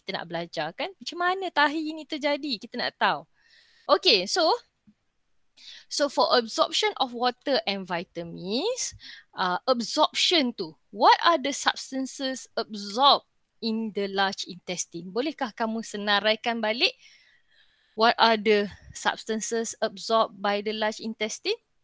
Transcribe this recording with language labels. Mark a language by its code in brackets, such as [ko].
[ms] Kita nak belajar kan macam mana tahi ni terjadi, kita nak tahu. [en] Okay, so for absorption of water and vitamins, absorption tu, what are the substances absorbed in the large intestine? [ms] Bolehkah kamu senaraikan balik? [en] What are the substances absorbed by the large intestine?